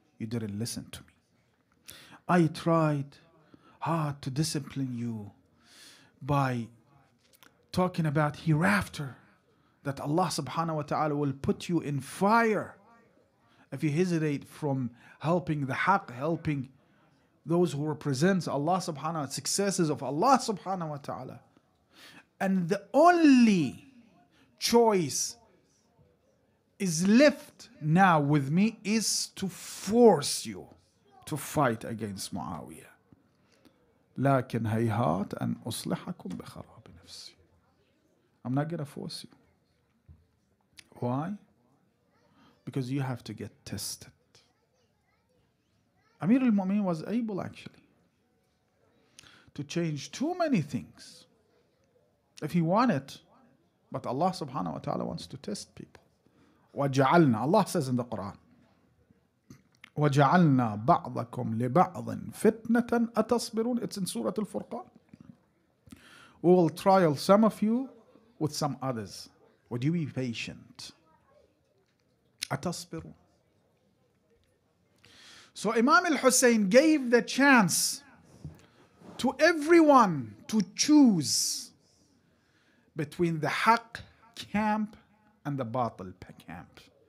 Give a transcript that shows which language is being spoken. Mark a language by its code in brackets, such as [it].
[en] You didn't listen to me. I tried hard to discipline you by talking about hereafter, that Allah subhanahu wa ta'ala will put you in fire if you hesitate from helping the haq, helping those who represent Allah subhanahu wa ta'ala, successes of Allah subhanahu wa ta'ala. And the only choice is left now with me is to force you to fight against Muawiyah. [ar] لكن هيهات أن أصلحكم بخراب نفسي. [en] I'm not going to force you. Why? Because you have to get tested. Amir al-Mu'min was able actually to change too many things if he wanted. But Allah subhanahu wa ta'ala wants to test people. [ar] وَجَعَلْنَا, [en] Allah says in the Quran, [ar] وَجَعَلْنَا بَعْضَكُمْ لِبَعْضٍ فِتْنَةً أَتَصْبِرُونَ. [en] It's in Surah Al-Furqan. We will trial some of you with some others. Would you be patient? [ar] أَتَصْبِرُونَ. [en] So Imam al-Hussein gave the chance to everyone to choose between the Haqq camp and the Batil camp.